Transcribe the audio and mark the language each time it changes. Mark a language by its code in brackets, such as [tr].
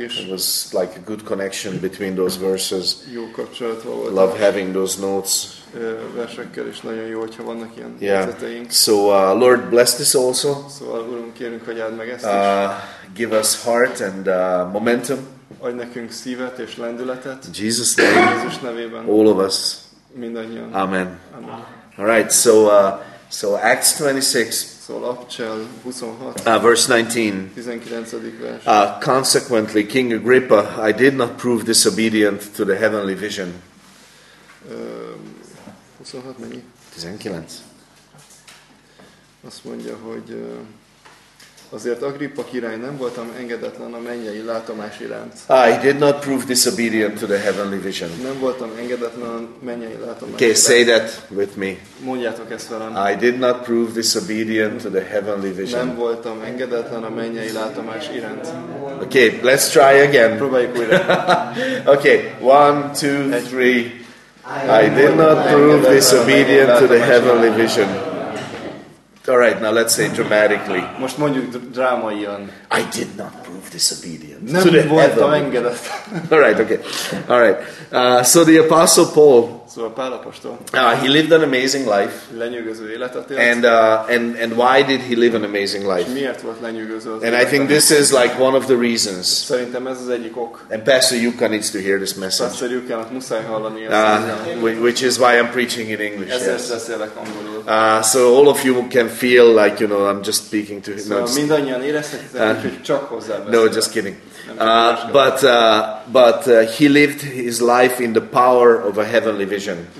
[en] Was like a good connection between those verses. Love having those notes. [hu] Versekkel is nagyon jó, hogyha vannak ilyen jegyzeteink. [en] Yeah. So Lord bless this also. [hu] Szóval Urunk, kérünk, hogy áld meg ezt is. [en] Give us heart and momentum. [hu] Adj nekünk szívet és lendületet. [en] Jesus name. [hu] Jézus nevében. [en] All of us. [hu] Mindannyian. [en] Amen. Amen. All right. So Acts 26. [hu] Szóval Apcsel 26. [en] Verse 19. [hu] 19. vers. [en] Consequently, King Agrippa, I did not prove disobedient to the heavenly vision. [hu] 26 mennyi? 19. Azt mondja, hogy azért Agrippa király, nem voltam engedetlen a mennyei látomás iránt. [en] I did not prove disobedient to the heavenly vision. [hu] Nem voltam engedetlen a mennyei látomás iránt. [en] Okay, say that with me. [hu] Mondjátok ezt velem. [en] I did not prove disobedient to the heavenly vision. [hu] Nem voltam engedetlen a mennyei látomás iránt. [en] Okay, let's try again. [hu] Próbáljuk újra. [en] Okay, 1, 2, 3. I did not prove disobedient to the heavenly vision. All right, now let's say dramatically. [hu] Most mondjuk drámaian. [en] I did not prove disobedient. [hu] Nem voltam engedett. [en] All right, okay. All right. So the Apostle Paul. [hu] szóval Pál apostol. [en] He lived an amazing life. [hu] Lenyűgöző életet élt. [en] And why did he live an amazing life? [hu] És miért volt lenyűgöző? [en] And I think this is like one of the reasons. [hu] Szerintem ez az egyik ok. [en] And Pastor Yuka needs to hear this message. [hu] Pastor Yukának muszáj hallani ezt. [en] Which is why I'm preaching in English. [hu] Ezért beszélek angolul. [en] So all of you can feel like, you know, I'm just speaking to him. [hu] Szóval mindannyian érezhetitek, hogy csak hozzá beszélek. [en] No, just kidding. But he lived his life in the power of a heavenly vision.